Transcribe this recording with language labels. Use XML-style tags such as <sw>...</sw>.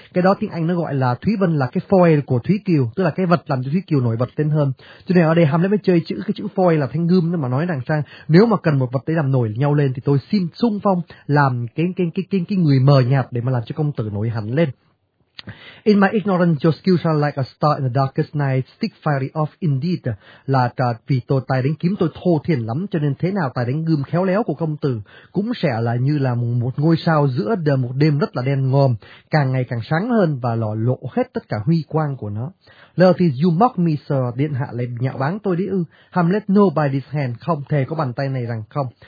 <vi>Cái đó tiếng Anh nó gọi là Thúy Vân là cái foil của Thúy Kiều, tức là cái vật làm cho Thúy Kiều nổi bật lên hơn. Cho nên ở đây Hamlet mới chơi cái chữ foil là thanh gươm, nhưng mà nói rằng sang nếu mà cần một vật để làm nổi nhau lên thì tôi xin xung phong làm cái người mờ nhạt để mà làm cho công tử nổi hẳn lên.</vi> <en>In my ignorance, your skill shall like a star in the darkest night, stick fiery off indeed.</en> <vi>Là vì tôi tài đánh kiếm tôi thô thiển lắm, cho nên thế nào tài đánh gươm khéo léo của công tử cũng sẽ là như là một ngôi sao giữa một đêm rất là đen ngòm, càng ngày càng sáng hơn và lò lộ hết tất cả huy quang của nó. Laertes,</vi> <en>you mock me, sir.</en> <vi>Điện hạ lại nhạo báng tôi đấy ư? Hamlet,</vi> <en>no, by this hand,</en> <vi>không, thề có bàn tay này rằng không.</vi>